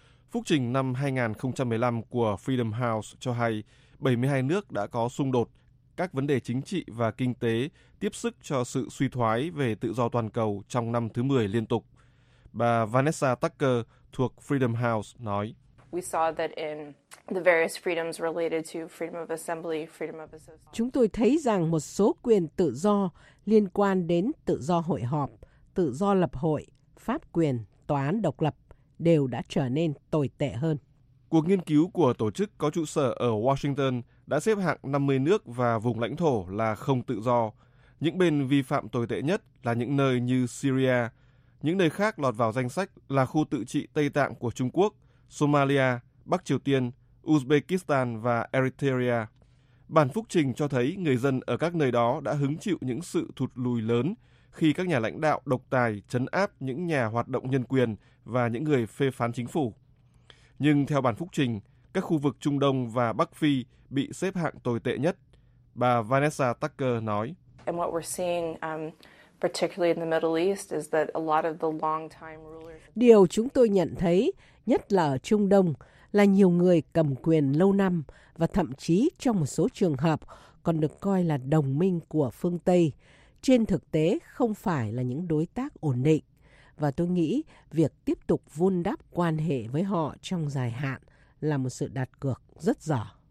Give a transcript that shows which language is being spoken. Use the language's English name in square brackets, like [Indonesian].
[Vietnamese] Phúc trình năm 2015 của Freedom House cho hay 72 nước đã có xung đột, các vấn đề chính trị và kinh tế tiếp sức cho sự suy thoái về tự do toàn cầu trong năm thứ 10 liên tục. Bà Vanessa Tucker thuộc Freedom House nói: [English] We saw that in the various freedoms related to freedom of assembly, freedom of association. [Vietnamese] Chúng tôi thấy rằng một số quyền tự do liên quan đến tự do hội họp, tự do lập hội, pháp quyền, tòa án độc lập đều đã trở nên tồi tệ hơn. Cuộc nghiên cứu của tổ chức có trụ sở ở Washington đã xếp hạng 50 nước và vùng lãnh thổ là không tự do. Những bên vi phạm tồi tệ nhất là những nơi như Syria. Những nơi khác lọt vào danh sách là khu tự trị Tây Tạng của Trung Quốc, Somalia, Bắc Triều Tiên, Uzbekistan và Eritrea. Bản phúc trình cho thấy người dân ở các nơi đó đã hứng chịu những sự thụt lùi lớn khi các nhà lãnh đạo độc tài trấn áp những nhà hoạt động nhân quyền và những người phê phán chính phủ. Nhưng theo bản phúc trình, các khu vực Trung Đông và Bắc Phi bị xếp hạng tồi tệ nhất. Bà Vanessa Tucker nói. [English] And what we're seeing, particularly in the Middle East, is that a lot of the long-time rulers. [Vietnamese] Điều chúng tôi nhận thấy, nhất là ở Trung Đông, là nhiều người cầm quyền lâu năm và thậm chí trong một số trường hợp còn được coi là đồng minh của phương Tây, trên thực tế không phải là những đối tác ổn định. Và tôi nghĩ việc tiếp tục vun đắp quan hệ với họ trong dài hạn là một sự đặt cược rất dở.